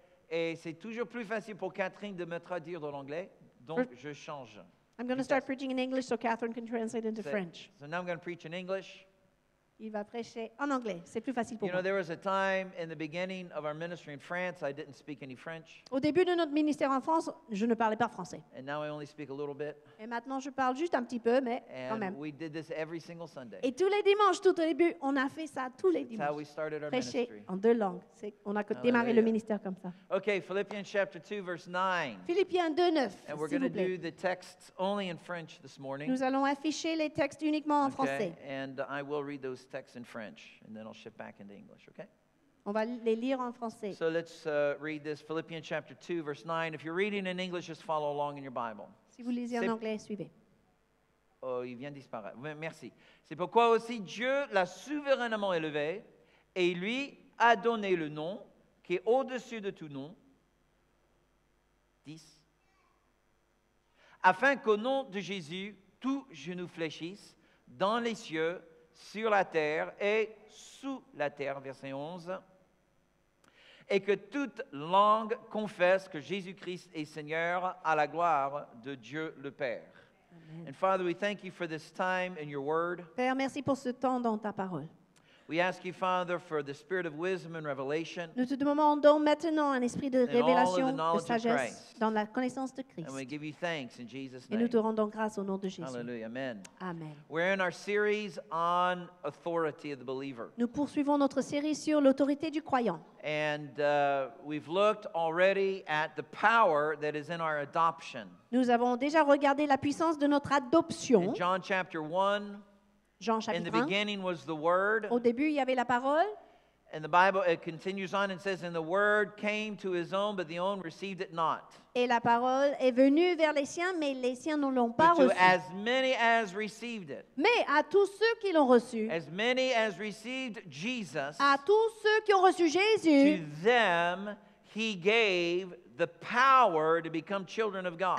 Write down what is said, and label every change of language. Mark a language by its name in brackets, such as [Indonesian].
[French] Et c'est toujours plus facile pour Catherine de me traduire dans l'anglais, donc je change. [English] I'm going to start preaching in English so Catherine can translate into French. So now I'm going to preach in English. [French] Il va prêcher en anglais. C'est plus facile pour [English] moi. You know, there was a time in the beginning of our ministry in France, I didn't speak any French. [French] Au début de notre ministère en France, je ne parlais pas français. [English] And now I only speak a little bit. [French] Et maintenant, je parle juste un petit peu, mais [English] and [French] quand même. [English] We did this every single Sunday. [French] Et tous les dimanches, tout au début, on a fait ça tous les dimanches. [English] That's how we started our [French] prêcher [English] ministry. [French] En deux langues. On a démarré le ministère comme ça. [English] Okay, Philippians chapter 2, verse 9. [French] Philippiens 2, 9, s'il vous [English] plaît. And we're going to do the texts only in French this morning. [French] Nous allons afficher les textes uniquement en français. [English] And I will read those text in French, and then I'll shift back into English, okay? [French] On va les lire en français. [English] So let's read this, Philippians chapter 2, verse 9. If you're reading in English, just follow along in your Bible. [French] Si vous lisez en anglais, suivez. Oh, il vient disparaître. Merci. C'est pourquoi aussi Dieu l'a souverainement élevé, et lui a donné le nom qui est au-dessus de tout nom, 10, afin qu'au nom de Jésus, tous genoux fléchissent dans les cieux, sur la terre et sous la terre, verset 11, et que toute langue confesse que Jésus-Christ est Seigneur à la gloire de Dieu le Père. Amen. [English] And Father, we thank you for this time in your word. [French] Père, merci pour ce temps dans ta parole. [English] We ask you, Father, for the spirit of wisdom and revelation. [French] Nous te demandons maintenant un esprit de révélation, de sagesse, dans la connaissance de Christ. [English] And we give you thanks in Jesus' name. [French] Et nous te rendons grâce au nom de Jésus. [English] Hallelujah. Amen. Amen. We're in our series on authority of the believer. [French] Nous poursuivons notre série sur l'autorité du croyant. [English] And we've looked already at the power that is in our adoption. [French] Nous avons déjà regardé la puissance de notre adoption. [English] In John chapter 1. [French] Jean, chapitre 1. [English] In the beginning was the Word. [French] Au début, il y avait la parole. [English] And the Bible, it continues on and says, and the Word came to his own, but the own received it not. [French] Et la parole est venue vers les siens, mais les siens ne l'ont pas reçu. [English] To as many as received it. [French] Mais à tous ceux qui l'ont reçu. [English] As many as received Jesus. [French] À tous ceux qui ont reçu Jésus. [English] To them he gave the power to become children of God.